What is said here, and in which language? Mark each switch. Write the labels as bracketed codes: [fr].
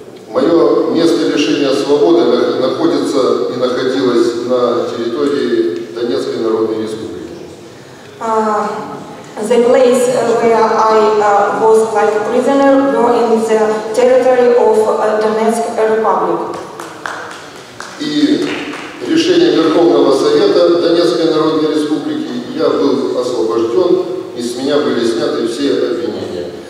[ru] Мое место лишения свободы находится и находилось на территории Донецкой Народной Республики. [en] The place where I was like a prisoner were in the territory of Donetsk Republic. [ru] И решение Верховного Совета Донецкой Народной Республики я был освобожден, и с меня были сняты все обвинения.